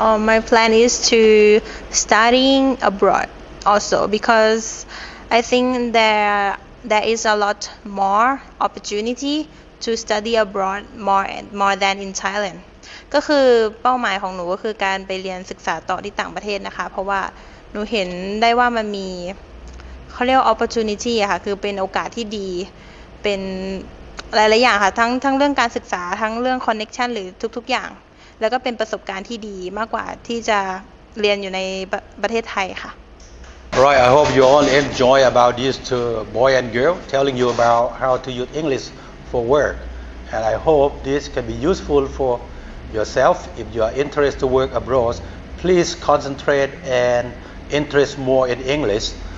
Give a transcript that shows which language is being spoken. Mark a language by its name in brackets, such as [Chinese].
[English] My plan is to studying abroad also because I think there is a lot more opportunity to study abroad more than in Thailand. [Thai] ก็คือเป้าหมายของหนูก็คือการไปเรียนศึกษาต่อที่ต่างประเทศนะคะเพราะว่าหนูเห็นได้ว่ามันมีเขาเรียกว่า opportunity อะค่ะคือเป็นโอกาสที่ดีเป็นหลายๆอย่างค่ะทั้งเรื่องการศึกษาทั้งเรื่อง connection หรือทุกๆอย่างแล้วก็เป็นประสบการณ์ที่ดีมากกว่าที่จะเรียนอยู่ในประเทศไทยค่ะ [English] Right I hope you all enjoy about these two boy and girl telling you about how to use English for work and I hope this can be useful forYourself, if you are interested to work abroad, please concentrate and interest more in English.